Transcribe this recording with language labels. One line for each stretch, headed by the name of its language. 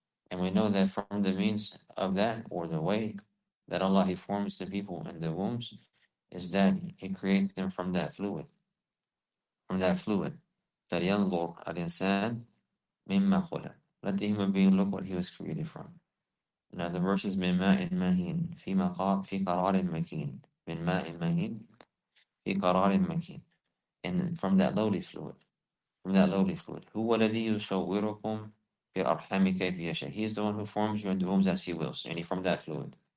English: And we know that from the means of that, or the way that Allah, He forms the people in the wombs, is that He creates them from that fluid.
Arabic: فَلْيَنْظُرْ الْإِنسَانُ مِمَّا خُلَقَ,
English: let the human being look what he was created from. Now the verse is
Arabic: مِنْ مَاءٍ مَهِينٍ فِي مَقَامٍ فِي قَرَارٍ مَكِينٍ مِنْ مَاءٍ مَهِينٍ فِي قَرَارٍ مَكِينٍ,
English: and from that lowly fluid.
Arabic: هُوَ الَّذِي يُصَوِّرُكُمْ فِي أَرْحَامِ كَيْفَ يَشَاءُ,
English: he is the one who forms you in the wombs as he wills. And from that fluid.